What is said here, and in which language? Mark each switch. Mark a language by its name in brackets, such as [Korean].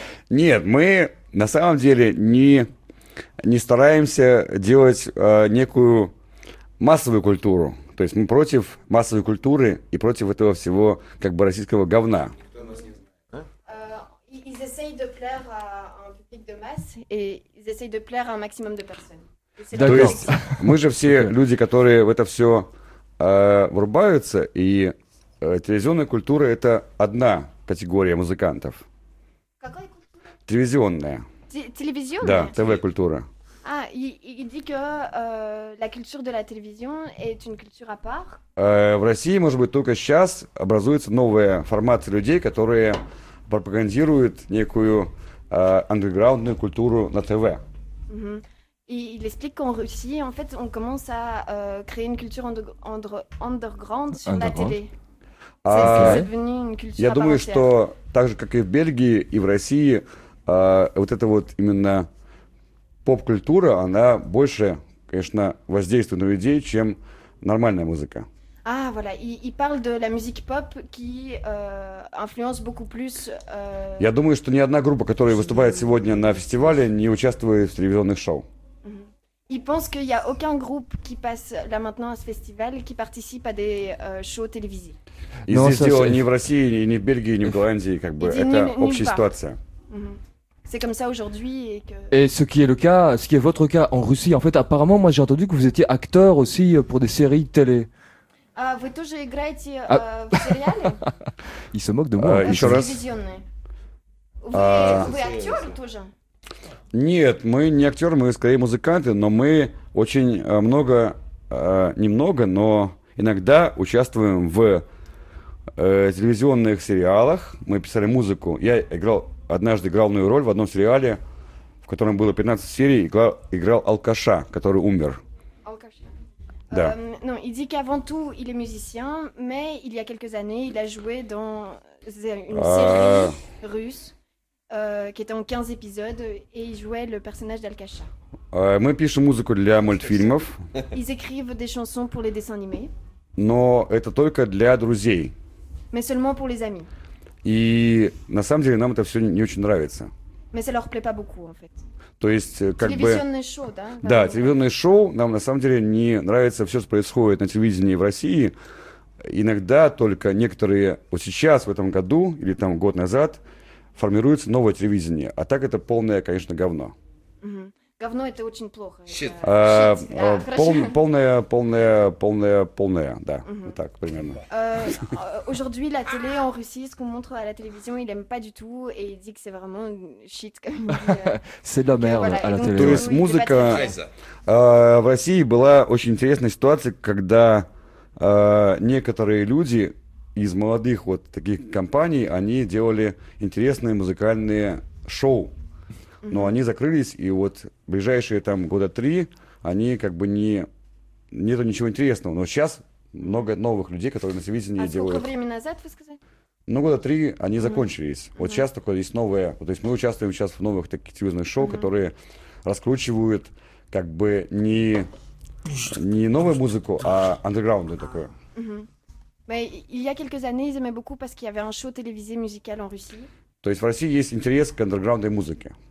[Russian] Нет, мы на самом деле не стараемся делать некую массовую культуру. То есть мы против массовой культуры и против этого всего как бы российского говна. [French] Ils essayent de plaire à un public de masse et ils essayent de plaire à un maximum de personnes. [Russian] То есть мы же все люди, которые в это все врубаются, и телевизионная культура – это одна категория музыкантов. Какая культура? Телевизионная. Телевизионная? Да, ТВ-культура. [French] А, il dit que la culture de la télévision est une culture à part. [Russian] В России, может быть, только сейчас образуется новая формация людей, которые пропагандируют некую андерграундную культуру на ТВ. Mm-hmm. [French] Il explique qu'en Russie, en fait, on commence à créer une culture underground sur underground? La télé. C'est devenu une culture [Russian] Я думаю, что так же, как и в Бельгии, и в России, вот это вот именно поп-культура, она больше, конечно, воздействует на людей, чем нормальная музыка. [French] А, voilà, il parle de la musique pop qui influence beaucoup plus. [Russian] Я думаю, что ни одна группа, которая выступает сегодня на фестивале, не участвует в телевизионных шоу. [French] Il pense qu'il y a aucun groupe qui passe là maintenant à ce festival qui participe à des shows télévisés. Il dit ni [Russian] в России, ни в Бельгии, ни в Голландии, как бы это общая ситуация. [French] c'est comme ça aujourd'hui et que... Et ce qui est le cas, ce qui est votre cas en Russie, en fait, apparemment, moi j'ai entendu que vous étiez acteur aussi pour des séries télé. Vous [Russian] тоже играете в сериале? [French] Il se moque de moi. [Russian] Еще раз. Вы актер тоже? Нет, мы не актеры, мы скорее музыканты, но мы очень много, немного, но иногда участвуем в телевизионных сериалах. Мы писали музыку. Я играл однажды главную роль в одном сериале, в котором было 15 серий, играл алкаша, который умер. Да. [French] Non, il dit qu'avant tout, il est musicien, mais il y a quelques années, il a joué dans une série russe, qui était en 15 épisodes, et il jouait le personnage d'Alkasha. [Russian] Мы пишем музыку для мультфильмов. [French] Ils écrivent des chansons pour les dessins animés. [Russian] Но это только для друзей. [French] Mais seulement pour les amis. [Russian] И на самом деле, нам это все не очень нравится. [French] Mais ça leur plaît pas beaucoup, en fait. [Russian] То есть, как бы... Телевизионное шоу, да? Да, телевизионное шоу. Нам, на самом деле, не нравится все, что происходит на телевидении в России. Иногда только некоторые... Вот сейчас, в этом году, или там год назад, формируется новое телевидение. А так это полное, конечно, говно. Угу. Говно — это очень плохо. [English] Щит. [Russian] Это... Полное, да. Угу. Вот так, примерно. [French] Aujourd'hui, la télé en Russie, ce qu'on montre à la télévision, il aime pas du tout, et il dit que c'est vraiment shit. C'est de la merde, voilà, à la télé. [Russian] То есть музыка... в России была очень интересная ситуация, когда некоторые люди из молодых вот таких компаний, они делали интересные музыкальные шоу. Но они закрылись, и вот ближайшие там года три, они как бы не... Нету ничего интересного. Но сейчас много новых людей, которые на телевидении делают... А сколько времени назад, вы сказали? Ну, года три они закончились. Mm-hmm. Вот сейчас такое есть новое... Вот, то есть мы участвуем сейчас в новых таких телевизионных шоу, mm-hmm. которые раскручивают как бы не новую музыку, а андерграундную такую. Mm-hmm. [French] Mais, il y a quelques années, ils aimaient beaucoup parce qu'il y avait un show télévisé musical en Russie. [Russian] То есть в России есть интерес к андерграундной музыке.